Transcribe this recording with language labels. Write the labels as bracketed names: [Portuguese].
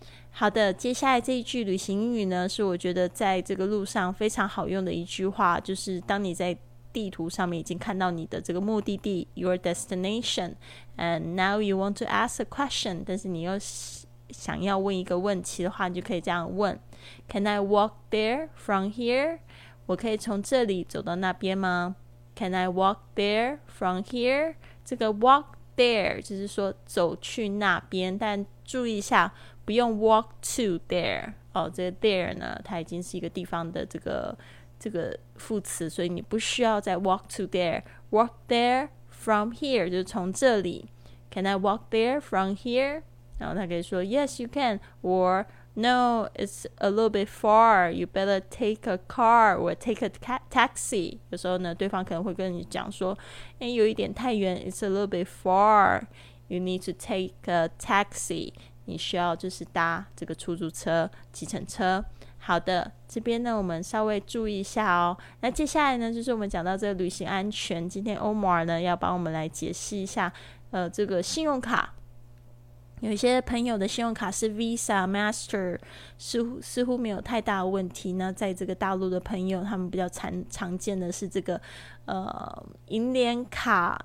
[Chinese] 好的，接下来这一句旅行英语呢是我觉得在这个路上非常好用的一句话，就是当你在地图上面已经看到你的这个目的地 [English] your destination and now you want to ask a question, [Chinese] 但是你又想要问一个问题的话，你就可以这样问 [English] Can I walk there from here? [Chinese] 我可以从这里走到那边吗？ [English] Can I walk there from here? [Chinese] 这个 walk there 就是说走去那边，但注意一下不用 walk to there 哦，这个 there 呢它已经是一个地方的这个副词，所以你不需要再 [English] walk to there, walk there from here [Chinese] 就是从这里。 [English] Can I walk there from here? [Chinese] 然后他可以说 [English] Yes you can, or No it's a little bit far, you better take a car or take a taxi. [Chinese] 有时候呢对方可能会跟你讲说，有一点太远， [English] It's a little bit far, you need to take a taxi. [Chinese] 你需要就是搭这个出租车、计程车。好的，这边呢我们稍微注意一下哦。那接下来呢就是我们讲到这个旅行安全，今天 Omar 呢要帮我们来解释一下这个信用卡。有一些朋友的信用卡是 Visa Master 似乎没有太大的问题，那在这个大陆的朋友他们比较常见的是这个银联卡。